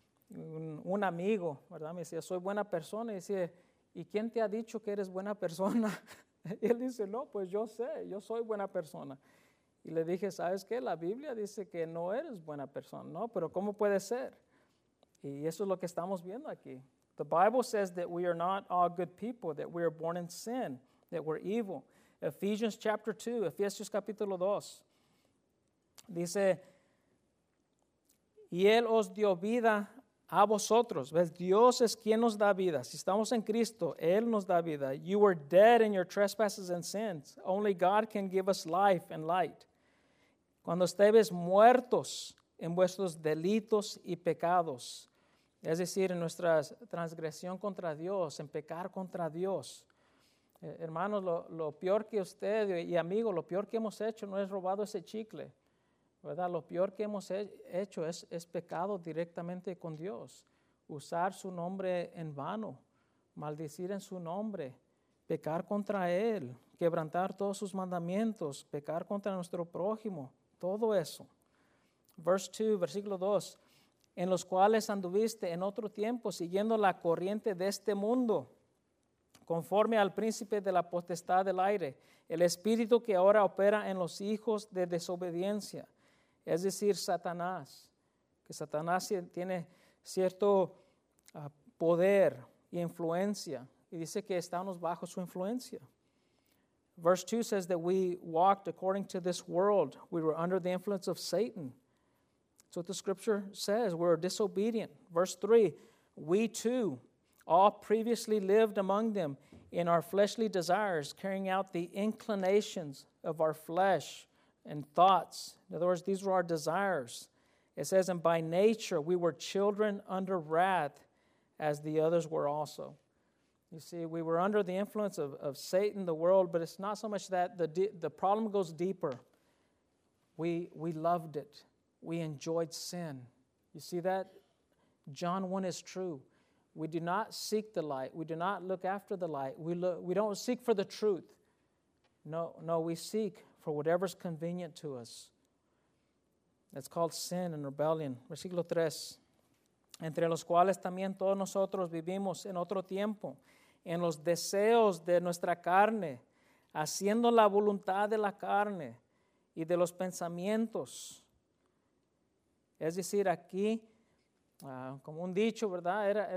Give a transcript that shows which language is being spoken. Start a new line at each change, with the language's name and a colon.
Spanish: Un amigo, ¿verdad? Me decía, soy buena persona. Y dice, ¿y quién te ha dicho que eres buena persona? Y él dice, no, pues yo sé, yo soy buena persona. Y le dije, ¿sabes qué? La Biblia dice que no eres buena persona, ¿no? Pero ¿cómo puede ser? Y eso es lo que estamos viendo aquí.
English: The Bible says that we are not all good people, that we are born in sin, that we're evil. Ephesians chapter 2,
Spanish: Efesios capítulo 2, dice, y él os dio vida a vosotros. ¿Ves? Dios es quien nos da vida. Si estamos en Cristo, Él nos da vida.
English: You were dead in your trespasses and sins. Only God can give us life and light.
Spanish: Cuando estéis muertos en vuestros delitos y pecados, es decir, en nuestra transgresión contra Dios, en pecar contra Dios. Hermanos, lo peor que usted y amigo, lo peor que hemos hecho no es robado ese chicle, ¿verdad? Lo peor que hemos hecho es pecado directamente con Dios, usar su nombre en vano, maldecir en su nombre, pecar contra Él, quebrantar todos sus mandamientos, pecar contra nuestro prójimo. Todo eso, versículo 2, en los cuales anduviste en otro tiempo siguiendo la corriente de este mundo, conforme al príncipe de la potestad del aire, el espíritu que ahora opera en los hijos de desobediencia, es decir, Satanás, que Satanás tiene cierto poder e influencia, y dice que estamos bajo su influencia.
English: Verse 2 says that we walked according to this world. We were under the influence of Satan. That's what the scripture says. We're disobedient. Verse 3, we too all previously lived among them in our fleshly desires, carrying out the inclinations of our flesh and thoughts. In other words, these were our desires. It says, and by nature we were children under wrath as the others were also. You see, we were under the influence of Satan, the world, but it's not so much that. The problem goes deeper. We loved it. We enjoyed sin. You see that? John 1 is true. We do not seek the light. We do not look after the light. We don't seek for the truth. No, we seek for whatever's convenient to us. That's called sin and rebellion.
Spanish: Versículo 3. Entre los cuales también todos nosotros vivimos en otro tiempo, en los deseos de nuestra carne, haciendo la voluntad de la carne y de los pensamientos. Es decir, aquí, como un dicho, ¿verdad?